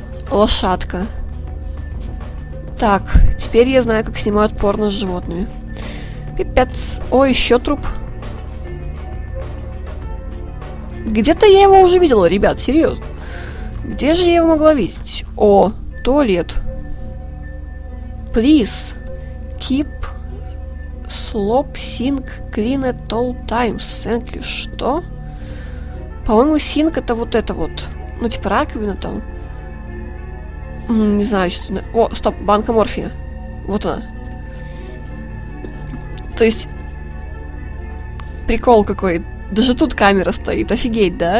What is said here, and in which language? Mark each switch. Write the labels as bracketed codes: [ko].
[ru] Лошадка. Так, теперь я знаю, как снимают порно с животными. Пипец. О, еще труп. Где-то я его уже видела, ребят, серьезно. Где же я его могла видеть? О, туалет. [en] Please keep slop sink clean at all times. Thank you. [ru] Что? По-моему, sink это вот это вот. Ну, типа раковина там. Не знаю, что... О, стоп, банка морфия. Вот она. То есть... Прикол какой. Даже тут камера стоит. Офигеть, да?